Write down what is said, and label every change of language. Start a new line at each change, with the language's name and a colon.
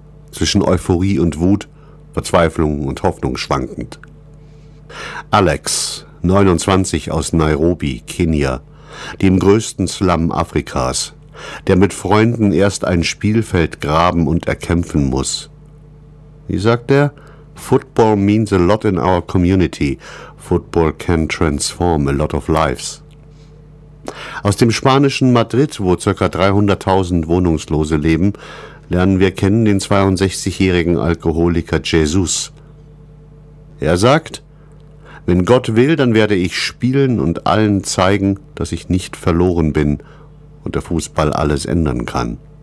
German: Zwischen Euphorie und Wut, Verzweiflung und Hoffnung schwankend. Alex, 29, aus Nairobi, Kenia, dem größten Slum Afrikas, der mit Freunden erst ein Spielfeld graben und erkämpfen muss. Wie sagt er?
English: Football means a lot in our community. Football can transform a lot of lives.
German: Aus dem spanischen Madrid, wo ca. 300.000 Wohnungslose leben, lernen wir kennen den 62-jährigen Alkoholiker Jesus. Er sagt, wenn Gott will, dann werde ich spielen und allen zeigen, dass ich nicht verloren bin und der Fußball alles ändern kann.